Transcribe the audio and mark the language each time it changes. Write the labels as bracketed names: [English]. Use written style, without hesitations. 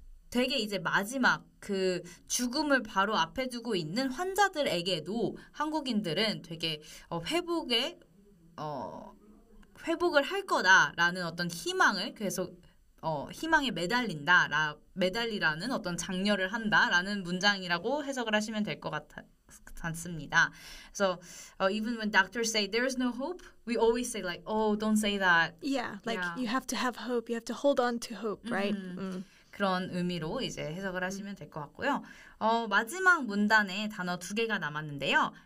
[Korean] 되게 이제 마지막 그 죽음을 바로 앞에 두고 있는 환자들에게도 한국인들은 되게 회복을 할 거다라는 어떤 희망을 계속 희망에 매달린다, 매달리라는 어떤 장려를 한다라는 문장이라고 해석을 하시면 될 것 같습니다. [English] So even when doctors say there is no hope, we always say like, oh, don't say that. Yeah, like yeah. You have to have hope. You have to hold on to hope, right? Mm-hmm. Mm. [Korean] 그런 의미로 이제 해석을 하시면 될 것 같고요. 마지막 문단에 단어 두 개가 남았는데요.